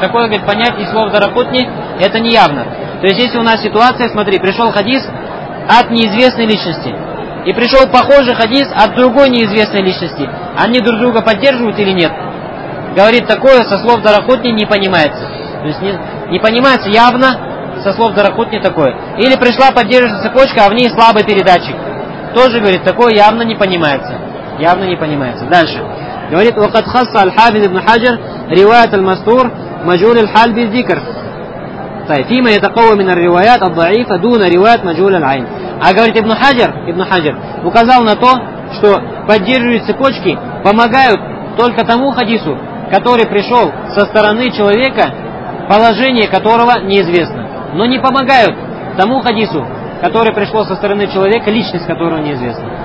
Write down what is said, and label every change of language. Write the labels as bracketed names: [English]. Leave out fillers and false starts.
[Russian] Такое, говорит, понять из слов Дарахутни это не явно. То есть, если у нас ситуация, смотри, пришел хадис от неизвестной личности, и пришел похожий хадис от другой неизвестной личности, они друг друга поддерживают или нет? Говорит, такое со слов Дарахутни не понимается. То есть, не понимается явно с со слов Даракутни такое. Или пришла поддерживающая цепочка, а в ней слабый передатчик. Тоже говорит, такое явно не понимается. Явно не понимается. Дальше. Говорит, [Arabic] وقد خص الحافظ ابن حجر رواية المستور مجهول الحال بالذكر. فيما يتقوى من الروايات الضعيفة دون رواية مجهول العين. [Russian] А говорит Ибн Хаджар указал на то, что поддерживающие цепочки помогают только тому хадису, который пришел со стороны человека, положение которого неизвестно. Но не помогают тому хадису, который пришел со стороны человека, личность которого неизвестна.